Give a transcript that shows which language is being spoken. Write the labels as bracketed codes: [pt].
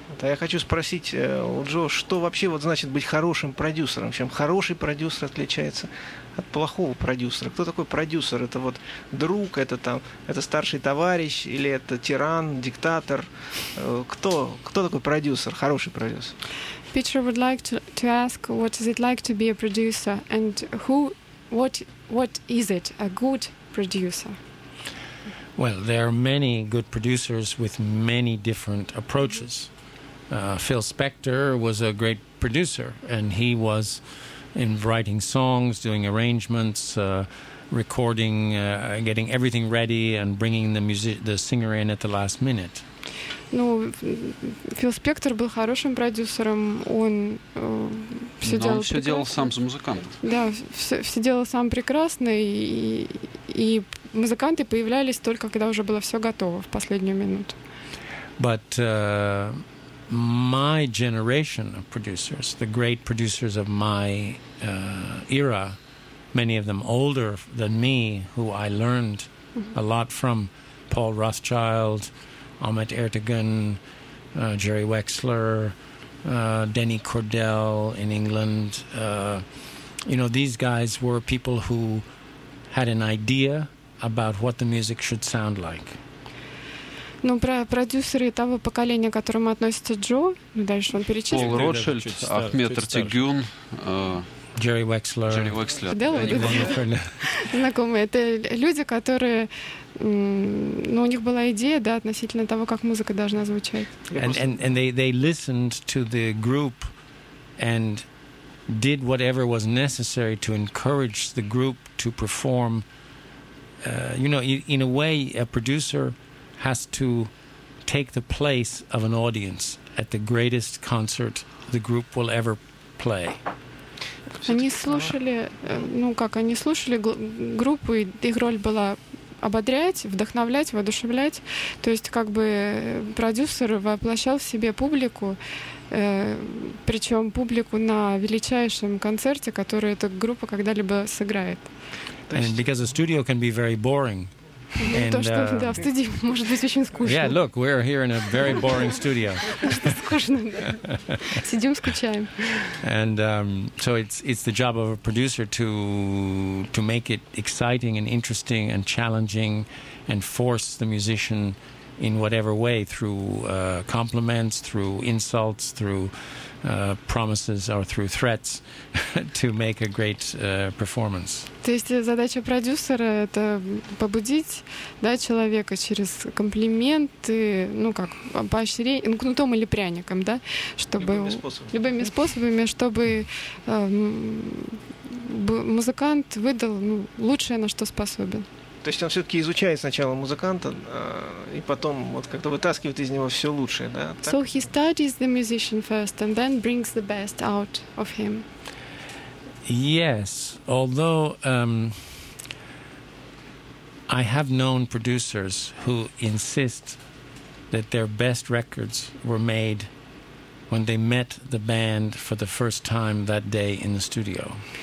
[ru] Вот, а я хочу спросить у Джо, что вообще вот значит быть хорошим продюсером? Чем хороший продюсер отличается от плохого продюсера? Кто такой продюсер? Это вот друг, это старший товарищ, или это тиран, диктатор? Кто такой продюсер, хороший продюсер? [en] Питер would like to ask, what is it like to be a producer, and who... What is it, a good producer? Well, there are many good producers with many different approaches. Phil Spector was a great producer, and he was in writing songs, doing arrangements, recording, getting everything ready and bringing the singer in at the last minute. [ru] Ну, Фил Спектор был хорошим продюсером, он все но делал он все прекрасно. Делал сам за музыкантов. Да, все делал сам прекрасно, и музыканты появлялись только, когда уже было все готово в последнюю минуту. [en] But my generation of producers, the great producers of my era, many of them older than me, who I learned a lot from, Paul Rothschild, Ahmet Ertegun, Jerry Wexler, Denny Cordell in England. You know, these guys were people who had an idea about what the music should sound like. [ru] Ну, продюсеры того поколения, к которому относится Джо, дальше он перечислил. Пол Ротшильд, Ахмет Эртегюн, Джерри Уэкслер. Знакомые. Это люди, которые... Ну, у них была идея, да, относительно того, как музыка должна звучать. [en] And they listened to the group and did whatever was necessary to encourage the group to perform. You know, in a way, a producer has to take the place of an audience at the greatest concert the group will ever play. [ru] Они слушали, ну как, они слушали группу, и их роль была ободрять, вдохновлять, воодушевлять. То есть как бы продюсер воплощал в себе публику, причем публику на величайшем концерте, который эта группа когда-либо сыграет. [en] And because a studio can be very boring. [ru] And, то, что, да, в студии может быть очень скучно. [en] Yeah, look, we're here in a very boring studio. [ru] Скучно, да. Сидим, скучаем. [en] And so it's the job of a producer to make it exciting and interesting and challenging and force the musician in whatever way, through compliments, through insults, through promises or through threats to make a great performance. [ru] То есть задача продюсера — это побудить, да, человека через комплименты, ну как, поощрение, кнутом или пряником, да, чтобы... Любыми способами, чтобы музыкант выдал лучшее, на что способен. То есть он все-таки изучает сначала музыканта, и потом вот как-то вытаскивает из него все лучшее, да? Так? [en] So he studies the musician first and then brings the best out of him. Yes, although I have known producers who insist that their best records were made when they met the band for the first time that day in the studio.